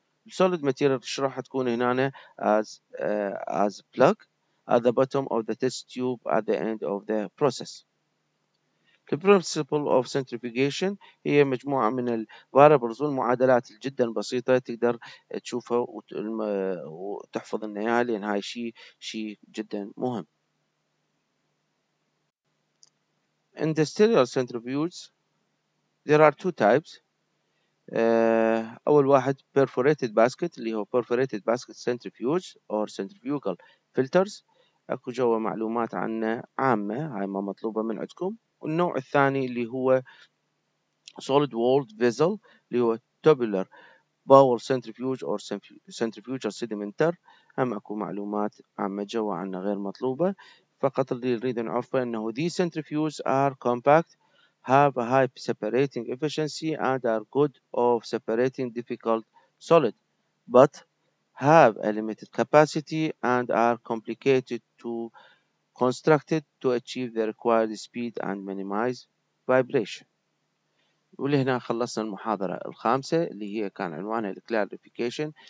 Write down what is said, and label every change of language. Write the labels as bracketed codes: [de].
[en] Solid material [ar] راح تكون هنا [en] as plug at the bottom of the test tube at the end of the process. The principle of centrifugation [ar] هي مجموعة من الفاريبلز والمعادلات جدا بسيطة تقدر تشوفها وتحفظ النهاية لأن هاي شيء جدا مهم. [en] Industrial centrifuges there are two types. [ar] أول واحد [en] perforated basket [ar] اللي هو [en] perforated basket centrifuges or centrifugal filters. [ar] أكو جوا معلومات عنه عامة هاي ما مطلوبة من عندكم. والنوع الثاني اللي هو [en] solid walled vessel [ar] اللي هو [en] tubular bowel centrifuge or centrifugal sedimenter. [ar] هم اكو معلومات عامة جوا عنا غير مطلوبة. فقط اللي نريد نعرفه انه [en] these centrifuges are compact, have a high separating efficiency and are good of separating difficult solid, but have a limited capacity and are complicated to constructed to achieve the required speed and minimize vibration. [ar] ولهنا خلصنا المحاضرة الخامسة اللي هي كان عنوانها clarification.